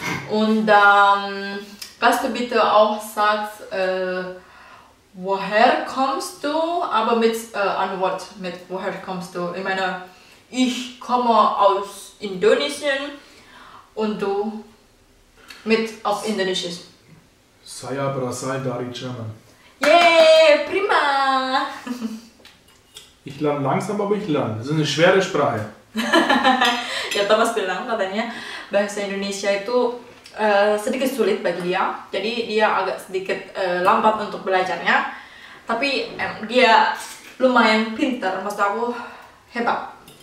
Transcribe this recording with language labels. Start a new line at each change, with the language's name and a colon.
German: Und kannst du bitte auch sagen, woher kommst du? Aber mit Antwort, mit woher kommst du? Ich meine, ich komme aus Indonesien und du mit auf Indonesisch.
Indonesian: Saya berasal dari Jerman.
German: Yay, prima! Ich lerne langsam, aber ich lerne. Das ist eine schwere Sprache.
Indonesian: Ja, Thomas bilang katanya bahasa Indonesia itu sedikit sulit bagi dia, jadi dia agak sedikit lambat untuk belajarnya. Tapi dia lumayan pintar, maksud aku hebat.